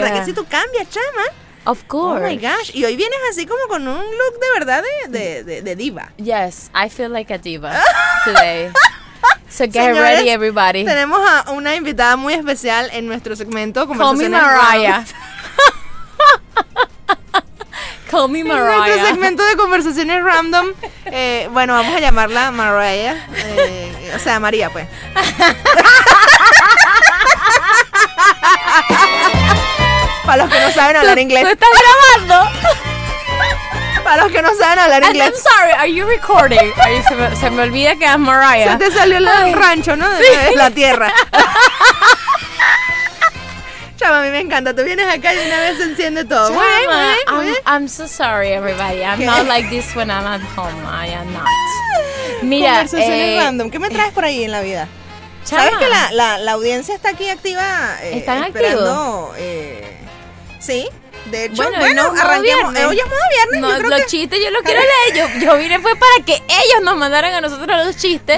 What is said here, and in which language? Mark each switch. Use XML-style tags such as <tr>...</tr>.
<es>¿Verdad que si tú cambias, chama?</es> <en>Of course. Oh my gosh.</en> <es>Y hoy vienes así como con un look de verdad de diva.</es> <en>Yes, I feel like a diva today. So get</en> <es>Señores,</es> <en>ready, everybody.</en> <es>Tenemos a una invitada muy especial en nuestro segmento.</es> <en>Call me Mariah. Call me Mariah.</en> <es>En nuestro segmento de conversaciones random. Bueno, vamos a llamarla Mariah. O sea, María, pues. Para los que no saben hablar inglés. ¿Tú estás grabando? Para los que no saben hablar inglés.</es> <en>I'm sorry, are you recording?</en> <es>Ay, se me olvida que es Mariah. Se te salió el rancho, ¿no? Sí. De la tierra. Chama, a mí me encanta. Tú vienes acá y una vez se enciende todo.</es> <en>Chama, I'm so sorry, everybody. I'm not like this when I'm at home. I am not.</en> <es>Mira, conversaciones random. ¿Qué me traes por ahí en la vida? Chama. ¿Sabes que la audiencia está aquí activa? ¿Están activos? Sí, de hecho, bueno no, arranquemos. Hoy es modo viernes. No, los chistes yo los quiero leer. Yo vine fue para que ellos nos mandaran a nosotros los chistes.</es>